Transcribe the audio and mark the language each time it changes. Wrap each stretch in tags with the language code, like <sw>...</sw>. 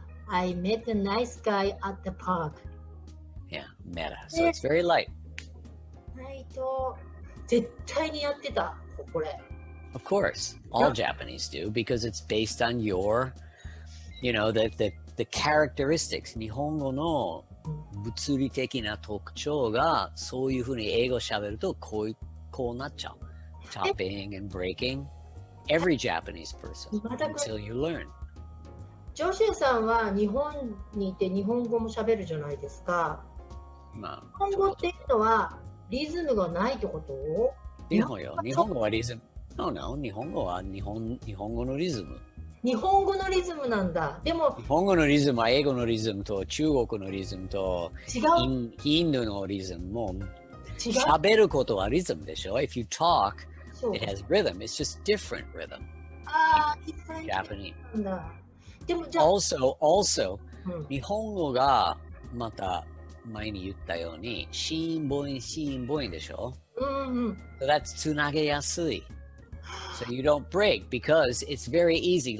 <en>I met a nice guy at the park。 Yeah, met a. So it's very light。</en> <ja>Light。 絶対にやってた、これ。</ja> <en>Of course, all Japanese do because it's based on your, you know, the characteristics。</en> <ja>日本語の物理的な特徴がそういうふうに英語喋るとこうなっちゃう。</ja> <en>Chopping and breaking. Every Japanese person. Until you learn.</en> <ja>ジョシュさんは日本にいて日本語も喋るじゃないですか。まあ、日本語っていうのはリズムがないってこと？日本よ。日本語はリズム。No, no. 日本語は日本語のリズム。日本語のリズムなんだ。でも日本語のリズムは英語のリズムと中国のリズムと違う。インドのリズムも違う。喋ることはリズムでしょ。</ja> <en>If you talk, it has rhythm. It's just different rhythm. Japanese.</en> <ja>でもじゃあ also、日本語がまた前に言ったように子音母音子音母音でしょ。</ja> <en>So that's</en> <ja>つなげやすい。</ja> <en>So you don't break because it's very easy.</en>